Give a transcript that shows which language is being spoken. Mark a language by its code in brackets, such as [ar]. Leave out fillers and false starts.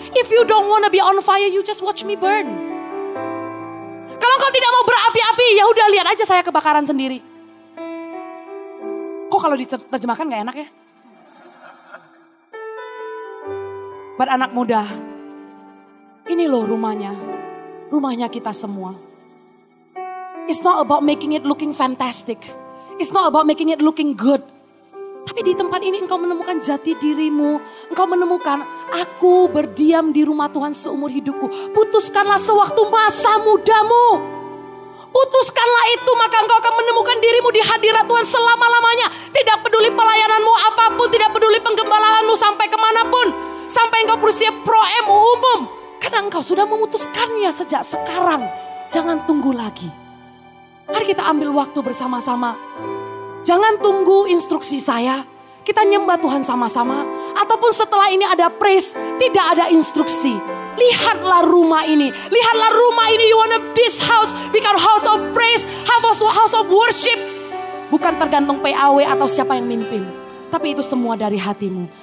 [en] If you don't wanna be on fire, you just watch me burn. [id] Kalau kau tidak mau berapi-api, ya udah lihat aja saya kebakaran sendiri. Kok kalau diterjemahkan enggak enak ya? Buat anak muda, ini loh rumahnya. Rumahnya kita semua. [en] It's not about making it looking fantastic. It's not about making it looking good. [id] Tapi di tempat ini engkau menemukan jati dirimu. Engkau menemukan, aku berdiam di rumah Tuhan seumur hidupku. Putuskanlah sewaktu masa mudamu. Putuskanlah itu, maka engkau akan menemukan dirimu di hadirat Tuhan selama-lamanya. Tidak peduli pelayananmu apapun, tidak peduli penggembalaanmu sampai kemanapun. Sampai engkau berusia pro MU umum. Karena engkau sudah memutuskannya sejak sekarang. Jangan tunggu lagi. Mari kita ambil waktu bersama-sama. Jangan tunggu instruksi saya. Kita nyembah Tuhan sama-sama. Ataupun setelah ini ada praise, tidak ada instruksi. Lihatlah rumah ini. Lihatlah rumah ini. [en] You wanna this house become house of praise, house of worship. [id] Bukan tergantung PAW atau siapa yang mimpin. Tapi itu semua dari hatimu.